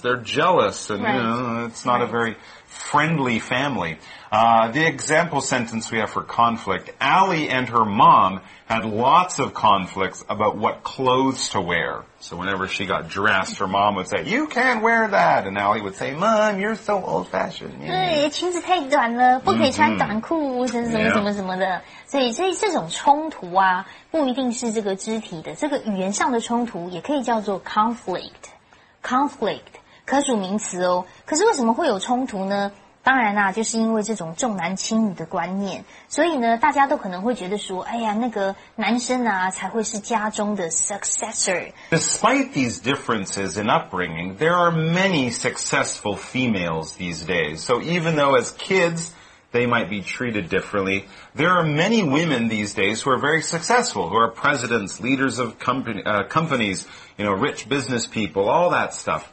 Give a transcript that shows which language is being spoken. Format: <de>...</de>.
<en>They're jealous, and you know, it's not a very friendly family. The example sentence we have for conflict, Allie and her mom had lots of conflicts about what clothes to wear. So whenever she got dressed, her mom would say, you can't wear that. And Allie would say, Mom, you're so old-fashioned. Yeah.</en> <zh>对，裙子太短了，不可以穿短裤，什么什么什么什么的。所以这种冲突啊，不一定是这个肢体的，这个语言上的冲突也可以叫做 conflict。 conflict, 可数名词哦。可是为什么会有冲突呢？当然啊，就是因为这种重男轻女的观念，所以呢，大家都可能会觉得说，哎呀，那个男生啊，才会是家中的 successor。</zh> <en>Despite these differences in upbringing, there are many successful females these days. So even though as kids they might be treated differently, there are many women these days who are very successful, who are presidents, leaders of companies, you know, rich business people, all that stuff.</en>